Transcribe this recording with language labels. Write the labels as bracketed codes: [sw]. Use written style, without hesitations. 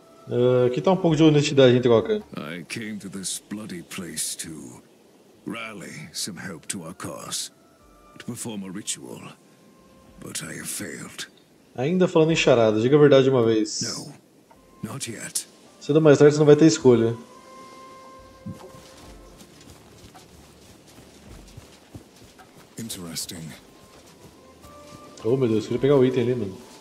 [pt] Aqui tá um pouco de honestidade, hein, Troca? [en] I came to this bloody place to rally some help to our cause, to perform a ritual, but I have failed. [pt] Ainda falando em charada, diga a verdade uma vez. [en] No, not yet. [pt] Cedo ou mais tarde você não vai ter escolha. [en] Interesting. [pt] Oh, meu Deus, queria pegar o item ali, mano.